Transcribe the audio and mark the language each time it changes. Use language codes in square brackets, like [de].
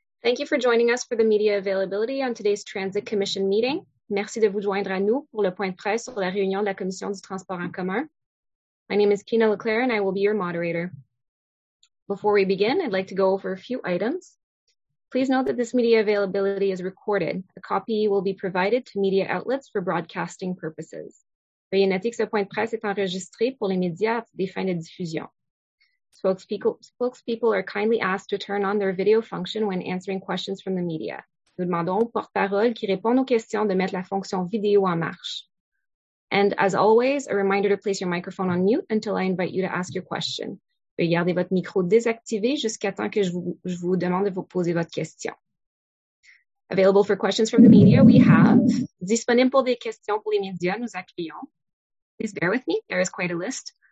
[en] Thank you for joining us for the media availability on today's Transit Commission meeting. [fr] Merci de vous joindre à nous pour le point de presse sur la réunion de la Commission du transport en commun. [en] My name is Kina LeClaire and I will be your moderator. Before we begin, I'd like to go over a few items. Please note that this media availability is recorded. A copy will be provided to media outlets for broadcasting purposes. [fr] Veuillez noter que ce point de presse est enregistré pour les médias à des fins de diffusion. [en] Spokespeople are kindly asked to turn on their video function when answering questions from the media. [fr] Nous demandons aux porte-parole qui répondent aux questions de mettre la fonction vidéo en marche. [en] And as always, a reminder to place your microphone on mute until I invite you to ask your question. [fr] Veuillez garder votre micro désactivé jusqu'à temps que je vous demande de vous poser votre question. [en] Available for questions from the media, we have. [fr] Disponible pour des questions pour les médias, nous accueillons. [en] Please bear with me, there is quite a list.